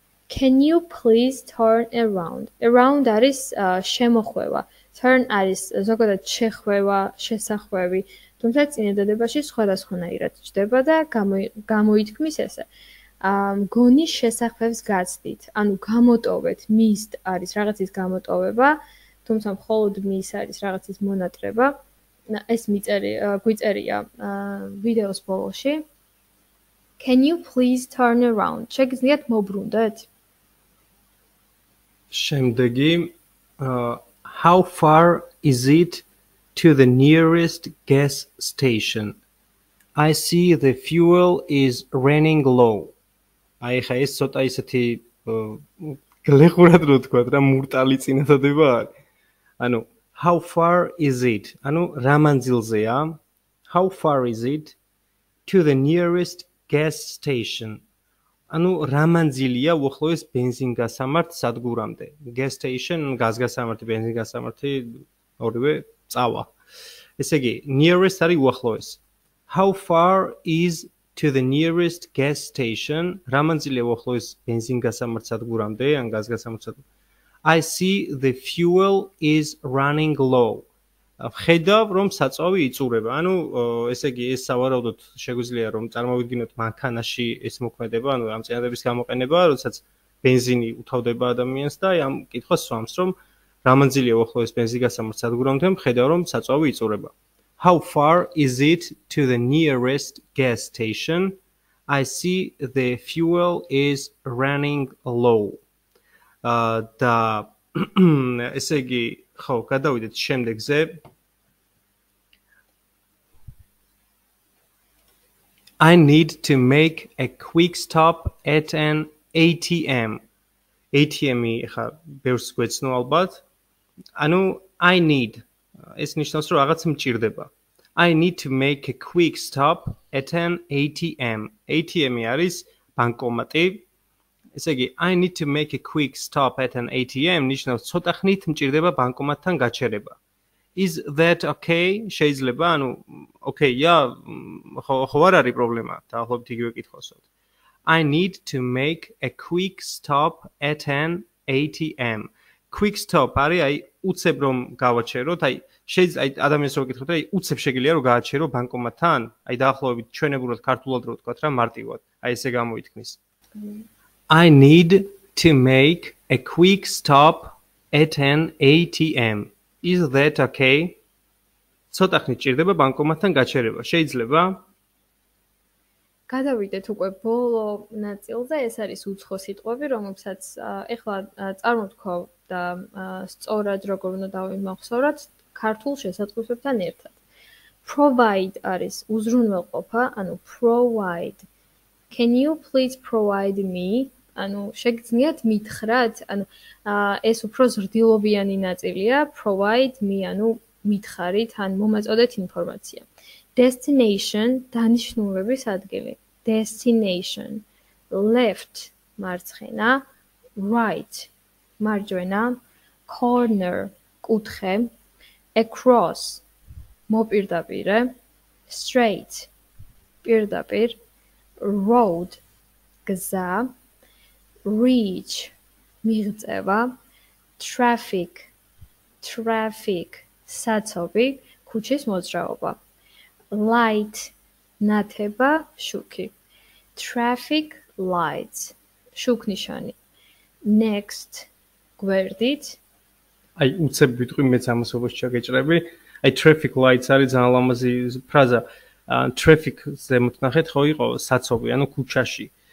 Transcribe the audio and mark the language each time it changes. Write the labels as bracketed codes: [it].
[en] Can you please turn around? [ka] Around არის შემოხვევა. Turn არის ზოგადად შეხვევა, შესახვევი. თუმცა წინადადებაში სხვადასხვანაირად ჩდება და გამოითქმის ესე. მგონი შესახვევს გაცდით. ანუ გამოტოვეთ, missed არის რაღაცის გამოტოვება, თუმცა მხოლოდ miss არის რაღაცის მონატრება. ეს გვიწერია ვიდეოს ბოლოში. [en] Can you please turn around? [ka] შეგიძლიათ მობრუნდეთ? [en] შემდეგი, how far is it to the nearest gas station? I see the fuel is running low. [ka] აი ხა ეს ცოტა ისეთი გლეხურად რო თქვა რა, მურტალი წინადადება არის. ანუ [en] how far is it? [ka] ანუ რა მანძილზეა? [en] How far is it to the nearest gas station? [ka] ანუ რა მანძილია უახლოეს ბენზინგასამართ სადგურამდე? Gas station, გაზგასამართი, ბენზინგასამართი, ორივე წავა. ესე იგი, nearest არის უახლოეს. [en] How far is to the nearest gas station? [ka] რა მანძილია უახლოეს ბენზინგასამართ სადგურამდე, ან გაზგასამართ სადგურამდე? [en] I see the fuel is running low. [ka] ხედავ რომ საწავი იწურება. ანუ ესე იგი ეს სავარაუდოდ შეგვიძლია რომ წარმოვიდგინოთ მანქანაში ეს მოქმედება, ანუ ამ წინადადების გამოყენება, როდესაც ბენზინი უთავდება ადამიანს და ამ კითხვას სვამს რომ რა მანძილია უახლოეს ბენზინგასამართ სადგურამდე, ხედავ რომ საწავი იწურება. [en] How far is it to the nearest gas station? I see the fuel is running low. [ka] და ესე იგი ხო, გადავიდეთ შემდეგზე. [en] I need to make a quick stop at an ATM. [ka] ATM-ი ხა ბევრს გვეცნო ალბათ. ანუ [en] I need. [ka] ეს ნიშნავს რომ რაღაც მჭირდება. [en] I need to make a quick stop at an ATM. [ka] ATM-ი არის ბანკომატი. ესე იგი [en] I need to make a quick stop at an ATM [ka] ნიშნავს ცოტა ხნით მჭირდება ბანკომატთან გაჩერება. [en] Is that okay? [ka] შეიძლება, ანუ okay-ია, ხო არ არის პრობლემა, დაახლოებით იგივე კითხოსოთ. [en] I need to make a quick stop at an ATM. [ka] Quick stop არის აი უცებ რომ გავაჩეროთ, აი შეიძლება აი ადამიანს რომ გითხოთ, აი უცებ შეგიძლია რომ გააჩერო ბანკომატთან, აი დაახლოებით ჩვენებურად ქართულად რო თქვათ რა მარტივად, აი ესე გამოითქმის. [en] I need to make a quick stop at an ATM. Is that okay? [ka] ცოტა ხნით ჭირდება ბანკომატთან გაჩერება. შეიძლება? გადავიდეთ უკვე ბოლო ნაწილზე. ეს არის უცხო სიტყვები, რომელსაც ეხლა წარმოთქვა და სწორად როგორ უნდა დავიმახსოვროთ ქართულ შესატყვისებთან ერთად. Provide არის უზრუნველყოფა, ანუ provide. [en] Can you please provide me? [ka] ანუ შეგძნიათ მითხრათ, ანუ ეს უფრო ზრდილობიანი ნაწილია, [en] provide me, [ka] ანუ მითხარით, ან მომაწოდეთ ინფორმაცია. Destination, დანიშნულების ადგილი. Destination. Left, მარცხენა. Right, მარჯვენა. Corner, კუთხე. Across, მოპირდაპირე. Straight, პირდაპირ. Road, გზა. Reach, მიღწევა. Traffic, traffic, საცობი, ქუჩის მოძრაობა. Light, ნათება, შუქი. Traffic lights, შუქნიშანი. Next, გვერდით. აი უცებ ვიტყვი მეც ამას ოფოს ჩაგეჭრები. აი [en] traffic lights [ka] არის ძალიან ლამაზი ფრაზა. Traffic ზემოთ ნახეთ ხო იყო საცობი, ანუ ქუჩაში.